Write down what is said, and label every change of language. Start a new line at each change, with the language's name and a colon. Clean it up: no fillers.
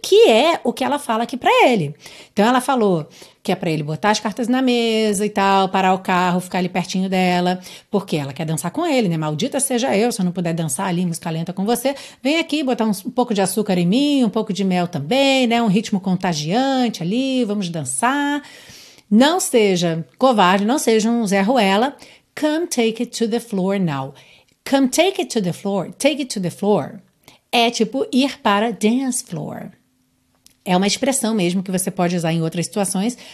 Portuguese: Que é o que ela fala aqui para ele. Então, ela falou que é pra ele botar as cartas na mesa e tal, parar o carro, ficar ali pertinho dela, porque ela quer dançar com ele, né? Maldita seja eu, se eu não puder dançar ali, música lenta com você, vem aqui botar um pouco de açúcar em mim, um pouco de mel também, né? Um ritmo contagiante ali, vamos dançar. Não seja covarde, não seja um Zé Ruela.
English: Come take it to the floor now. Come take it to the floor.
Portuguese: Take it to the floor é tipo ir para dance floor. É uma expressão mesmo que você pode usar em outras situações.